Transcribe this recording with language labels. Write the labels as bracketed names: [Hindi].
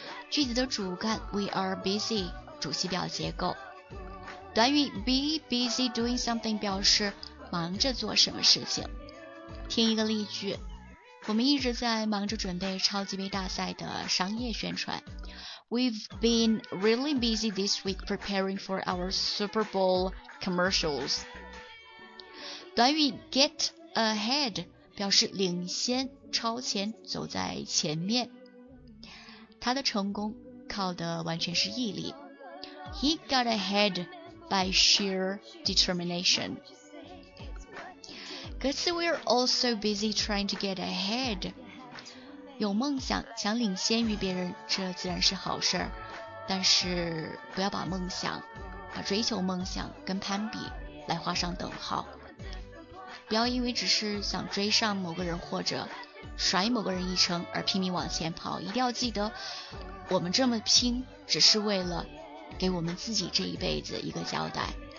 [Chinese] 句子的主干 [English] We are busy， [Chinese] 主系表结构。短语 [English] be busy doing something [Chinese] 表示忙着做什么事情。听一个例句，我们一直在忙着准备超级杯大赛的商业宣传。 [English] We've been really busy this week preparing for our Super Bowl commercials. [Chinese] 短语 get ahead 表示领先、超前、走在前面。他的成功靠的完全是毅力。 [English] He got ahead by sheer determination. 歌词 We're all so busy trying to get ahead. [Chinese] 有梦想，想领先于别人，这自然是好事儿。但是不要把梦想，把追求梦想跟攀比来画上等号。不要因为只是想追上某个人或者甩某个人一程而拼命往前跑，一定要记得，我们这么拼只是为了给我们自己这一辈子一个交代。